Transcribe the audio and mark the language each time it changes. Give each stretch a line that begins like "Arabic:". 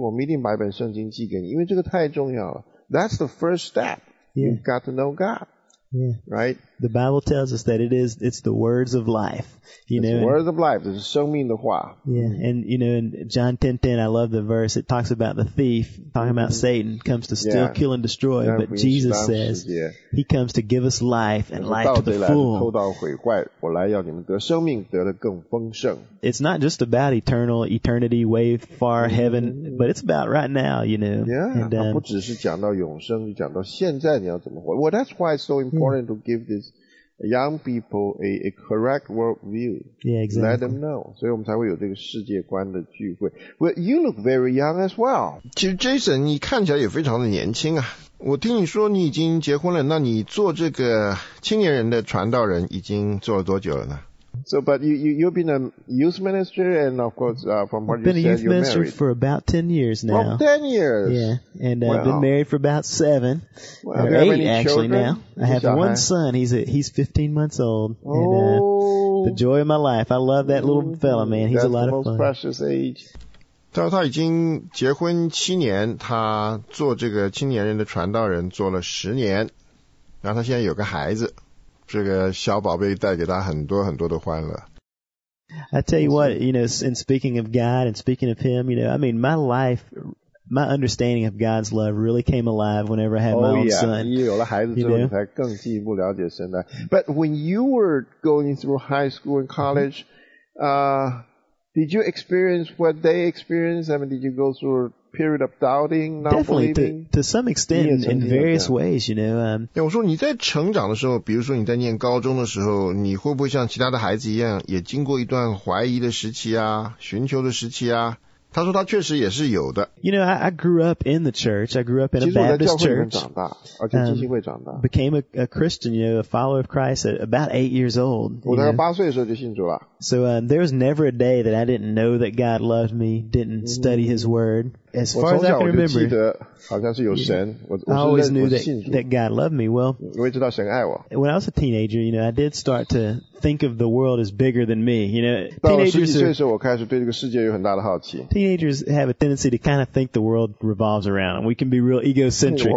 Chinese: 我们一定把一本圣经寄给你，因为这个太重要了。
English: That's the first step. You've got to know God. Yeah. Right? The Bible tells us that it's the words of life. You know, the words of life. It's
Chinese: 生命的话.
English: Yeah. And, you know, in John 10:10, I love the verse. It talks about the thief, talking about Satan, comes to steal, kill, and destroy. But Jesus says, he comes to give us life and life to the full.
Chinese: 偷盗毁坏，我来要你们得生命，得的更丰盛。
English: It's not just about eternity, way far heaven, but it's about right now, you know. Yeah.
Chinese: And, 不只是讲到永生，讲到现在你要怎么活。
English: Well, that's why it's so important to give this. Young people a correct worldview. Yeah, exactly. Let them know.
Chinese: 所以我们才会有这个世界观的聚会。
English: Well, you look very young as well.
Chinese: 其实 Jason, 你看起来也非常的年轻啊。我听你说你已经结婚了，那你做这个青年人的传道人已经做了多久了呢？
English: So, but you've been a youth minister, and of course, from what you said, you're married. Been a youth minister for about 10 years now. Oh, 10 years! Yeah, and I've been married for about 7, well, or 8 actually children? Now. I have one son, he's 15 months old, and the joy of my life. I love that little fella, man, he's a lot of fun. That's the most precious age.
Chinese: 他已经结婚七年，他做这个青年人的传道人做了十年，然后他现在有个孩子，这个小宝贝带给他很多很多的欢乐。
English: I tell you what, you know, in speaking of God and speaking of Him, you know, I mean, my life, my understanding of God's love really came alive whenever I had my own son.
Chinese: 你有了孩子之后，你才更进一步了解神的。
English: But when you were going through high school and college, did you experience what they experienced? I mean, did you go through a period of doubting, not believing? Definitely, to some extent, in various ways, you know.
Chinese: 我说你在成长的时候，比如说你在念高中的时候，你会不会像其他的孩子一样，也经过一段怀疑的时期啊，寻求的时期啊？他说他确实也是有的。
English: You know, I grew up in the church. I grew up in a Baptist church.
Chinese: 其实我在教会里面长大，而且基金会长大。
English: Became a Christian, you know, a follower of Christ at about 8 years old.
Chinese: 我大概八岁的时候就信主了。
English: So there was never a day that I didn't know that God loved me, didn't study His word. As far as I can remember,
Chinese: 我从小我就记得好像是有神。
English: I always knew that God loved me. Well,
Chinese: 我也知道神爱我。
English: When I was a teenager, you know, I did start to think of the world as bigger than me. You know, teenagers.
Chinese: 到十几岁时候，我开始对这个世界有很大的好奇。
English: Teenagers have a tendency to kind of think the world revolves around them. We can be real egocentric.